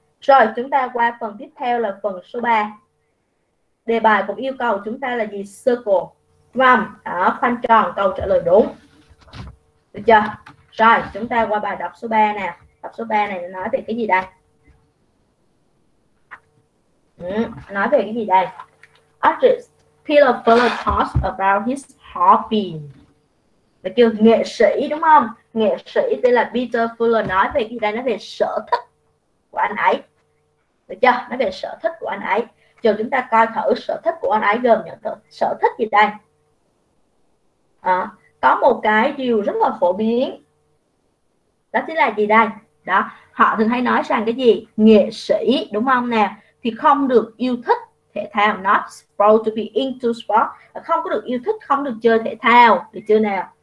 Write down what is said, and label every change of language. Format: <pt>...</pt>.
<vi>Rồi chúng ta qua phần tiếp theo là phần số 3. Đề bài cũng yêu cầu chúng ta là gì, circle vòng đó, khoanh tròn câu trả lời đúng. Được chưa? Rồi, chúng ta qua bài đọc số 3 nè. Đọc số 3 này nói về cái gì đây? Nói về cái gì đây?</vi> <en>Artist Peter Fuller talks about his hobby.</en> <vi>Được chưa? Nghệ sĩ đúng không? Nghệ sĩ tên là Peter Fuller nói về cái gì đây? Nói về sở thích của anh ấy. Được chưa? Nói về sở thích của anh ấy. Chờ chúng ta coi thử sở thích của anh ấy gồm những sở thích gì đây? À, có một cái điều rất là phổ biến đó chính là gì đây, đó họ thường hay nói rằng cái gì, nghệ sĩ đúng không nào, thì không được yêu thích thể thao,</vi> <en>not supposed to be into sport,</en> <vi>không có được yêu thích, không được chơi thể thao, được chưa nào?</vi>